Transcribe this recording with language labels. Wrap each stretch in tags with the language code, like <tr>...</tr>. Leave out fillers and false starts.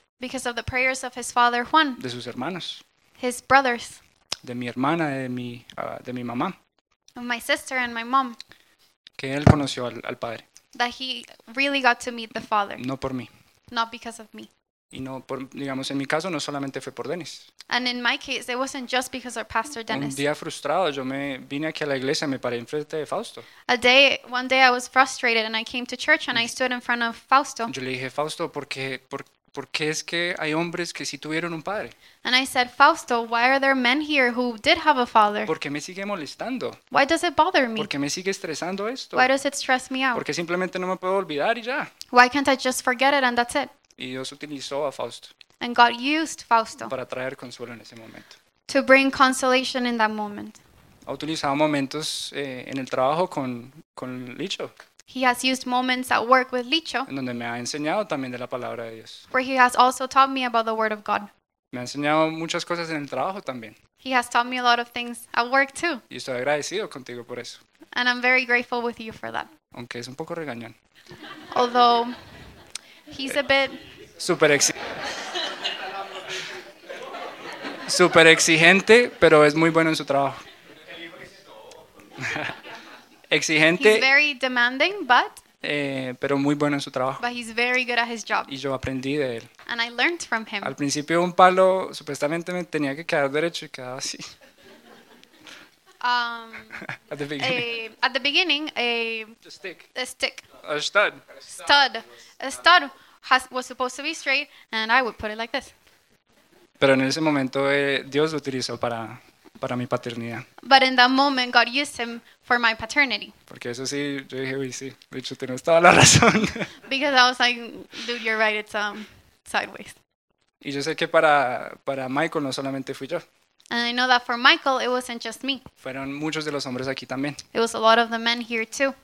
<en>Because of the prayers of his father Juan.</en> <es>De sus hermanos.</es> <en>His brothers.</en> <es>De mi hermana, de mi mamá.</es> <en>My sister and my mom.</en> <es>Que él conoció al padre.</es> <en>That he really got to meet the father.</en> <es>No por mí.</es> <en>Not because of me.</en> <es>Y no por, digamos, en mi caso no solamente fue por Dennis.</es> <en>And in my case, it wasn't just because of Pastor Dennis.</en> <es>Un día frustrado, yo me vine aquí a la iglesia, me paré enfrente de Fausto.</es> <en>One day I was frustrated and I came to church and I stood in front of Fausto.</en> <es>Yo le dije, Fausto, ¿por qué es que hay hombres que sí tuvieron un padre?</es> <en>And I said, Fausto, why are there men here who did have a father?</en> <es>¿Por qué me sigue molestando?</es> <en>Why does it bother me?</en> <es>¿Por qué me sigue estresando esto?</es> <en>Why does it stress me out?</en> <es>¿Por qué simplemente no me puedo olvidar y ya?</es> <en>Why can't I just forget it and that's it?</en> <es>Y Dios utilizó a Fausto.</es> <en>And God used Fausto.</en> <es>Para traer consuelo en ese momento.</es> <en>To bring consolation in that moment.</en> <es>Ha utilizado momentos en el trabajo con Licho.</es> <en>He has used moments at work with Licho.</en> <es>En donde me ha enseñado también de la palabra de Dios.</es> <en>Where he has also taught me about the word of God.</en> <es>Me ha enseñado muchas cosas en el trabajo también.</es> <en>He has taught me a lot of things at work too.</en> <es>Y estoy agradecido contigo por eso.</es> <en>And I'm very grateful with you for that.</en> <es>Aunque es un poco regañón.</es> <en>Although he's a bit</en> <es>super exigente, pero es muy bueno en su trabajo. Exigente.</es> <en>He's very demanding, but.</en> <es>Pero muy bueno en su trabajo.</es> <en>But he's very good at his job.</en> <es>Y yo aprendí de él.</es> <en>And I learned from him.</en> <es>Al principio un palo supuestamente me tenía que quedar derecho y quedaba así.</es> <en>At the beginning, a stick. A stud was supposed to be straight, and I would put it like this.</en> <es>Pero en ese momento Dios lo utilizó para mi paternidad.</es> <en>But in that moment, God used him for my paternity.</en> <es>Porque eso sí, yo dije, uy, sí, de hecho, tienes toda la razón.</es> <en>Because I was like, dude, you're right, it's sideways.</en> <es>Y yo sé que para Michael no solamente fui yo.</es> <en>And I know that for Michael, it wasn't just me.</en> <es>Fueron muchos de los hombres aquí también.</es> <en>It was a lot of the men here too.</en>